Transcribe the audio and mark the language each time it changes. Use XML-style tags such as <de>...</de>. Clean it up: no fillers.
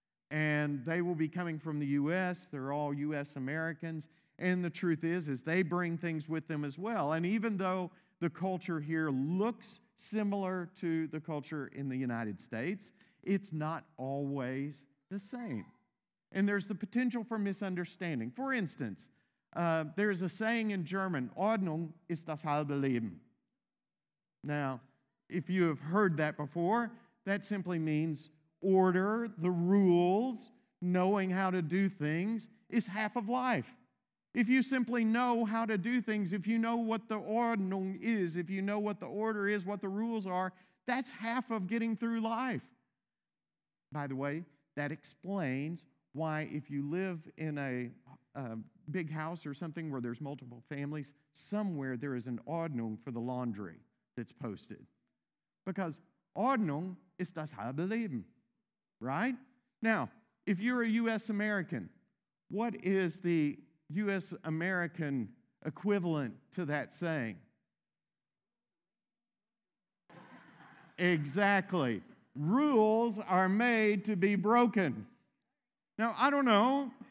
<en>And they will be coming from the U.S. They're all U.S. Americans. And the truth is they bring things with them as well. And even though the culture here looks similar to the culture in the United States, it's not always the same. And there's the potential for misunderstanding. For instance, there is a saying in German,</en> <de>Ordnung ist das halbe Leben.</de> <en>Now, if you have heard that before, that simply means order, the rules, knowing how to do things is half of life. If you simply know how to do things, if you know what the Ordnung is, if you know what the order is, what the rules are, that's half of getting through life. By the way, that explains why if you live in a big house or something where there's multiple families, somewhere there is an Ordnung for the laundry that's posted. Because</en> <de>Ordnung ist das halbe Leben,</de> <en>right? Now, if you're a U.S. American, what is the U.S. American equivalent to that saying? Exactly. Rules are made to be broken. Now, I don't know.</en>